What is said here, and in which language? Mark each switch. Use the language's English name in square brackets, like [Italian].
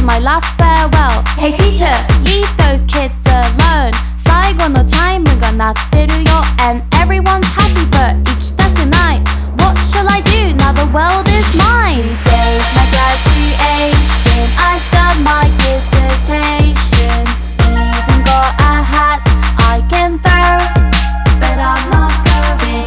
[English] Hey teacher, leave those kids alone. [Japanese] 最後のチャイムが鳴ってるよ。 [English] And everyone's happy but [Japanese] 行きたくない。 [English] What shall I do? Now the world is mine. Today's my graduation, I've done my dissertation, even got a hat I can throw, but I'm not going.